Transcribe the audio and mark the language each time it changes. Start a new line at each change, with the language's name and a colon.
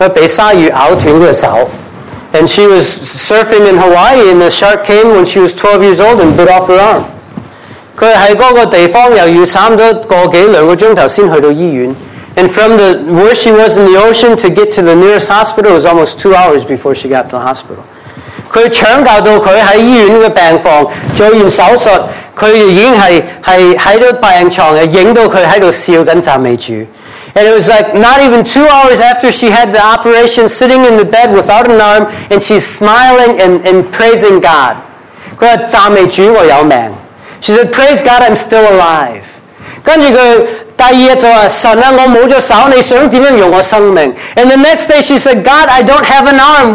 Chinese: 那个她是滑浪的,她被鲨鱼咬断她的手,
English: and she was surfing in Hawaii and the shark came when she was 12 years old and bit off her arm.
Chinese: 她在那个地方又要差不多个多两个钟头才去到医院,
English: and from the where she was in the ocean to get to the nearest hospital was almost 2 hours before she got to the hospital.
Chinese: 她抢救到她在医院的病房做完手术，她已经是在病床拍到她在笑赞美主。
English: And it was like not even 2 hours after she had the operation, sitting in the bed without an arm, and she's smiling and praising God. She said, praise God, I'm still alive. And the next day she said, God, I don't have an arm.